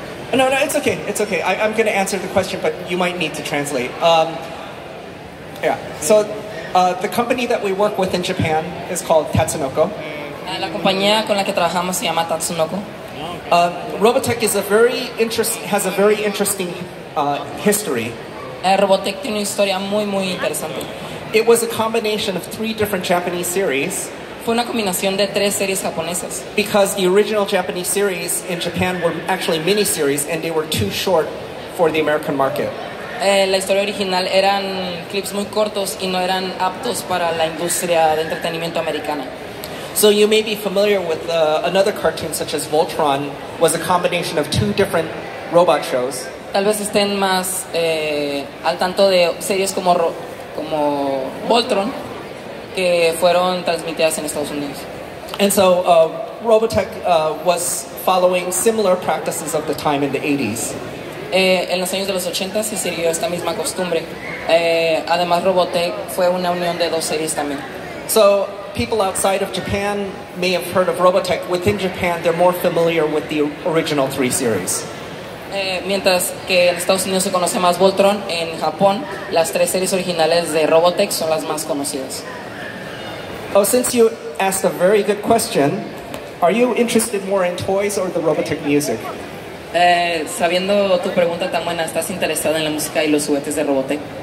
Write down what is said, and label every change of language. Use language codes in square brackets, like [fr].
[en] No, it's okay. It's okay. I'm going to answer the question, but you might need to translate. So the company that we work with in Japan is called Tatsunoko. [es] La compañía con la que trabajamos se llama Tatsunoko. [en] Robotech is a very has a very interesting history. [es] Robotech tiene una historia muy muy interesante. [en] It was a combination of three different Japanese series. [es] Fue una combinación de tres series japonesas. [en] Because the original Japanese series in Japan were actually miniseries and they were too short for the American market. [es] La historia original eran clips muy cortos y no eran aptos para la industria de entretenimiento americana. [en] So you may be familiar with another cartoon such as Voltron was a combination of two different robot shows. [es] Tal vez estén más al tanto de series como como Voltron que fueron transmitidas en Estados Unidos. [en] And so Robotech was following similar practices of the time in the 80s. [es] En los años de los 80 se siguió esta misma costumbre. Además Robotech fue una unión de dos series también. [en] So people outside of Japan may have heard of Robotech. Within Japan they're more familiar with the original three series. [es] Mientras que en Estados Unidos se conoce más Voltron, en Japón las tres series originales de Robotech son las más conocidas. [en] Oh, since you asked a very good question, are you interested more in toys or the Robotech music? [es] Sabiendo tu pregunta tan buena, ¿estás interesado en la música y los juguetes de Robotech?